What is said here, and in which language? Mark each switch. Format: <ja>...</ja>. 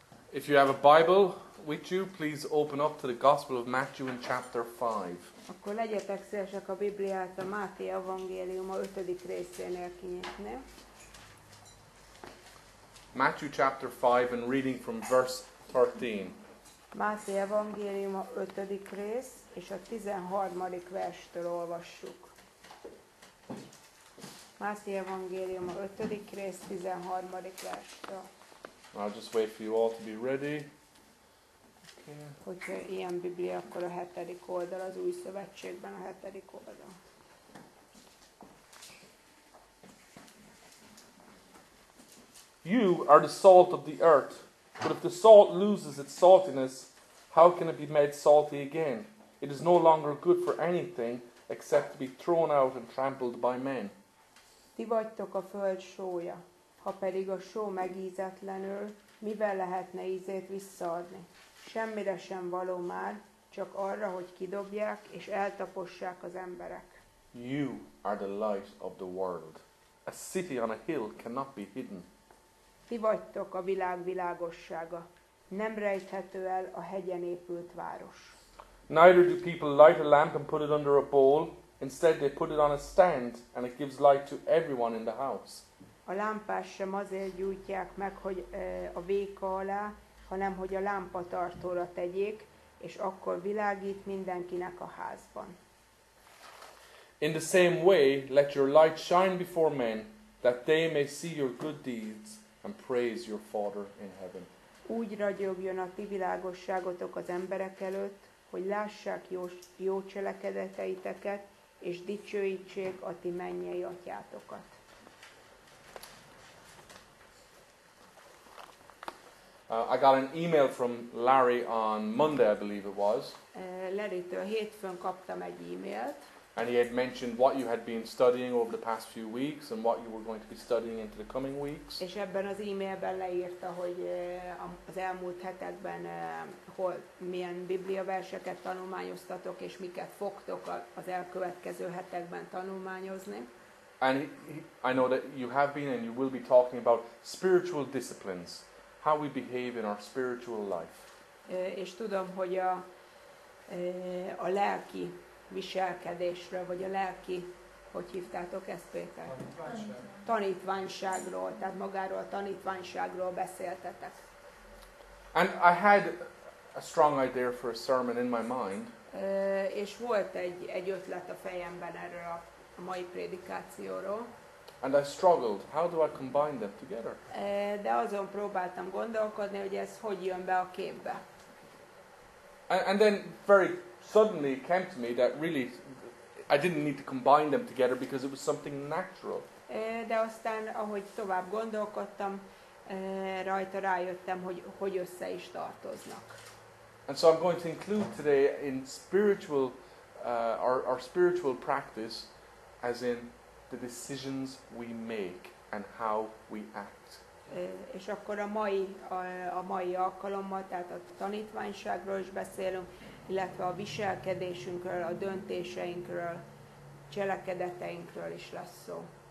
<en>If you have a Bible with you, please open up to the Gospel of Matthew in chapter 5.</en> <hu>Akkor legyetek szívesek a Bibliát a Máté evangéliuma 5. részénél kinyitni.</hu> <en>Matthew chapter 5 and reading from verse 13.</en> <hu>Máté evangéliuma 5. rész és a 13. verstől olvassuk. Máté evangéliuma 5. rész 13. verstől.</hu> <en>I'll just wait for you all to be ready. Okay.</en> <hu>Hogyha ilyen Biblia, akkor a 7. oldal, az Új Szövetségben a 7. oldal.</hu> <en>You are the salt of the earth, but if the salt loses its saltiness, how can it be made salty again? It is no longer good for anything except to be thrown out and trampled by men.</en> <hu>Ti vagytok a föld sója. Ha pedig a só megízetlenül, mivel lehetne ízét visszaadni? Semmire sem való már, csak arra, hogy kidobják és eltapossák az emberek.</hu> <en>You are the light of the world. A city on a hill cannot be hidden.</en> <hu>Ti vagytok a világ világossága. Nem rejthető el a hegyen épült város.</hu> <en>Neither do people light a lamp and put it under a bowl. Instead they put it on a stand and it gives light to everyone in the house.</en> <hu>A lámpás sem azért gyújtják meg, hogy a véka alá, hanem hogy a lámpatartóra tegyék, és akkor világít mindenkinek a házban.</hu> <en>In the same way, let your light shine before men, that they may see your good deeds and praise your Father in heaven.</en> <hu>Úgy ragyogjon a ti világosságotok az emberek előtt, hogy lássák jó cselekedeteiteket, és dicsőítsék a ti mennyei atyátokat.</hu> <en>I got an email from Larry on Monday, I believe it was.</en> <hu>Larry-től hétfőn kaptam egy e-mailt.</hu> <en>And he had mentioned what you had been studying over the past few weeks and what you were going to be studying into the coming weeks.</en> <hu>És ebben az e-mailben leírta, hogy az elmúlt hetekben milyen Biblia verseket tanulmányoztatok és miket fogtok az elkövetkező hetekben tanulmányozni.</hu> <en>And I know that you have been and you will be talking about spiritual disciplines. How we behave in our spiritual life.</en> <hu>És tudom, hogy a lelki viselkedésről, vagy a lelki, hogy hívtátok ezt, Péter? Tanítványság. Tanítványságról, tehát magáról a tanítványságról beszéltetek.</hu> <en>And I had a strong idea for a sermon in my mind.</en> <hu>És volt egy ötlet a fejemben erről a mai prédikációról.</hu> <en>And I struggled. How do I combine them together?</en> <hu>De azon próbáltam gondolkodni, hogy ez hogy jön be a képbe.</hu> <en>And then very suddenly it came to me that really I didn't need to combine them together because it was something natural.</en> <hu>De aztán, ahogy tovább gondolkodtam, rajta rájöttem, hogy össze is tartoznak.</hu> <en>And so I'm going to include today in spiritual our spiritual practice as in the decisions we make and how we act.</en> <hu>És akkor a mai alkalommal, tehát a tanítványságról is beszélünk, illetve a viselkedésünkről, a döntéseinkről, cselekedeteinkről is lesz szó.</hu>